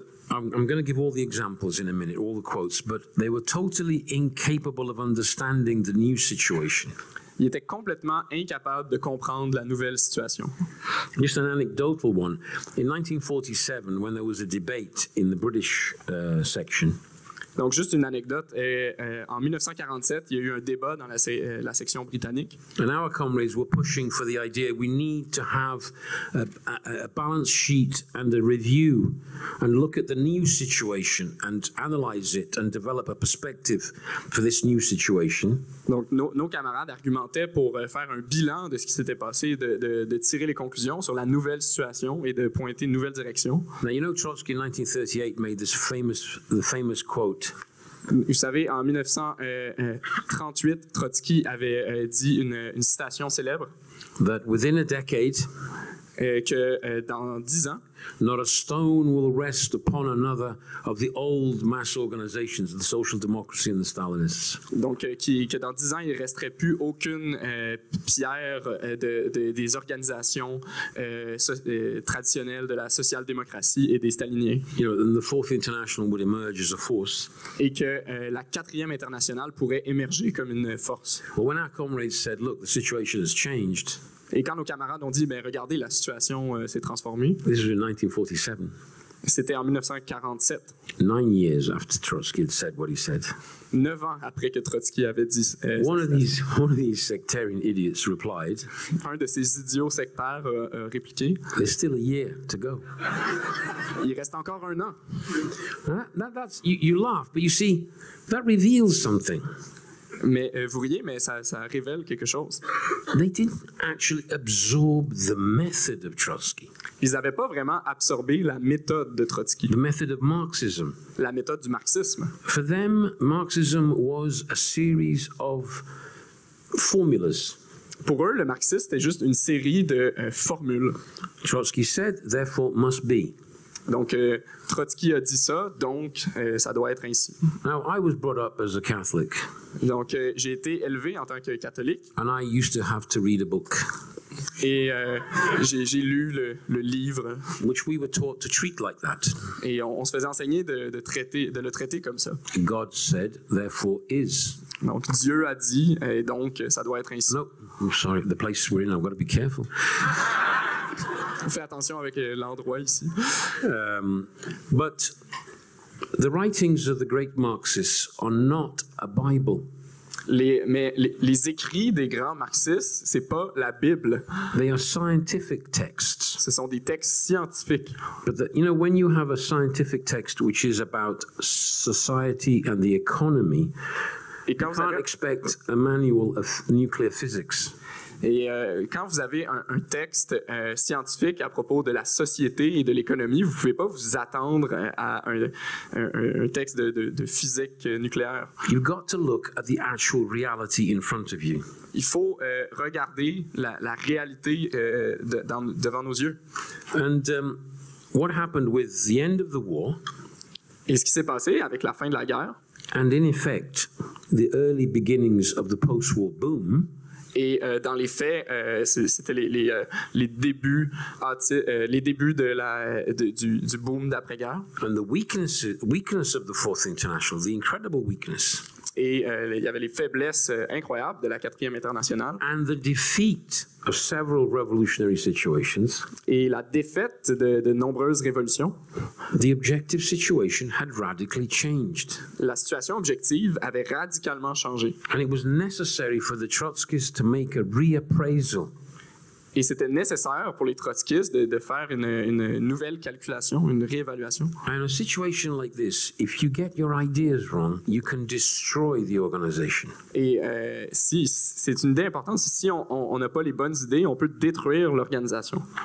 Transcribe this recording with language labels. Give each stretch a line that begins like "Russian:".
English: I'm going to give all the examples in a minute, all the quotes, but they were totally incapable of understanding the new situation.
French: Ils étaient complètement incapables de comprendre la nouvelle situation.
English: Just an anecdotal one. In 1947, when there was a debate in the British section.
French: Donc, juste une anecdote. En 1947, il y a eu un débat dans la section britannique.
English: And our comrades were pushing for the idea we need to have a balance sheet and a review and look at the new situation and analyze it and develop a perspective for this new situation.
French: Donc, nos camarades argumentaient pour faire un bilan de ce qui s'était passé, de tirer les conclusions sur la nouvelle situation et de pointer une nouvelle direction.
English: Now, you know, Trotsky, in 1938, made this famous quote.
French: Vous savez, en 1938, Trotsky avait dit une citation célèbre.
English: That within a decade,
French: que dans 10 ans,
English: not a stone will rest upon another of the old mass organizations, the social democracy and the Stalinists.
French: Donc, que dans 10 ans, il ne resterait plus aucune pierre des organisations traditionnelles de la social-démocratie et des staliniens.
English: You know, and the Fourth International would emerge as a force.
French: Et que la Quatrième Internationale pourrait émerger comme une force.
English: Well, when our comrades said, look, the situation has changed.
French: Et quand nos camarades ont dit, ben regardez, la situation s'est transformée.
English: This is in 1947.
French: C'était en 1947.
English: 9 years after Trotsky had said what he said.
French: 9 ans après que Trotsky avait dit.
English: One of these sectarian idiots replied.
French: Un de ces idiots sectaires a répliqué.
English: There's still a year to go.
French: Il reste encore un an.
English: That's you laugh, but you see, that reveals something.
French: Mais vous riez, mais ça révèle quelque chose.
English: They didn't actually absorb the method of Trotsky.
French: Ils n'avaient pas vraiment absorbé la méthode de Trotsky.
English: The method of Marxism.
French: La méthode du marxisme.
English: For them, Marxism was a series of formulas.
French: Pour eux, le marxisme était juste une série de formules.
English: Trotsky said, therefore, must be.
French: Donc, Trotsky a dit ça, donc ça doit être ainsi.
English: Now, I was brought up as a Catholic.
French: Donc, j'ai été élevé en tant que catholique.
English: And I used to have to read a book.
French: Et j'ai lu le livre.
English: Which we were taught to treat like that.
French: Et on se faisait enseigner de le traiter comme ça.
English: God said, therefore is.
French: Donc, Dieu a dit, et donc ça doit être ainsi.
English: No, I'm sorry, the place we're in, I've got to be careful.
French: Fais attention avec l'endroit ici.
English: But the writings of the great Marxists are not a Bible.
French: Mais les écrits des grands marxistes, c'est pas la Bible.
English: They are scientific texts.
French: Ce sont des textes scientifiques.
English: But the, you know, when you have a scientific text which is about society and the economy, you can't expect a manual of nuclear physics.
French: Et quand vous avez un texte scientifique à propos de la société et de l'économie, vous ne pouvez pas vous attendre à un texte de physique nucléaire.
English: You've got to look at the actual reality in front of you.
French: Il faut regarder la réalité devant nos yeux.
English: And what happened with the end of the war?
French: Et ce qui s'est passé avec la fin de la guerre?
English: And in effect, the early beginnings of the post-war boom.
French: Et dans les faits, c'était les débuts du boom d'après-guerre.
English: And the weakness of the Fourth International, the incredible weakness.
French: Et il y avait les faiblesses incroyables de la Quatrième Internationale.
English: And the defeat of several revolutionary situations.
French: Et la défaite de nombreuses révolutions.
English: The objective situation had radically changed.
French: La situation objective avait radicalement changé.
English: And it was necessary for the Trotskyists to make a reappraisal.
French: Et c'était nécessaire pour les Trotskyistes de faire une nouvelle calculation, une réévaluation.
English: In a situation like this, if you get your ideas wrong, you can destroy the organization.
French: Et si c'est une idée importante, si on n'a pas les bonnes idées, on peut détruire l'organisation.